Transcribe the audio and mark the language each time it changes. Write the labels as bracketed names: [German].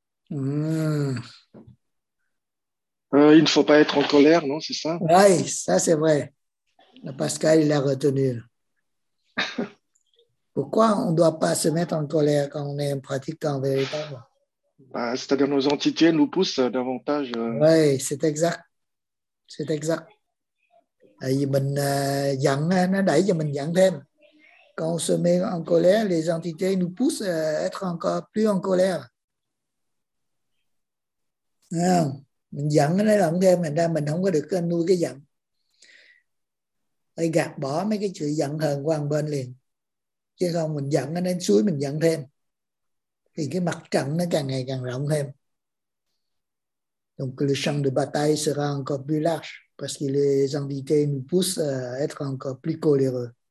[French] Il ne faut pas être en colère, non, c'est ça? Oui, ça c'est vrai. Le Pascal, il l'a retenu. Pourquoi on ne doit pas se mettre en colère quand on est un pratiquant véritable? Bah, c'est-à-dire nos entités nous poussent davantage. Oui, c'est exact. C'est exact. [Vietnamese] Mình giận, nó đẩy cho mình giận thêm. [French] Quand on se met en colère, les entités nous poussent à être encore plus en colère. [Vietnamese] Thấy không? Mình giận nó động thêm, thành ra mình không có được nuôi cái giận. Phải gạt bỏ mấy cái sự giận hờn qua một bên liền. Chứ không, mình giận nó đến suối, mình giận thêm. Thì cái mặt trận nó càng ngày càng rộng thêm. [French] Donc le champ de bataille sera encore plus large parce que les entités nous poussent à être encore plus coléreux.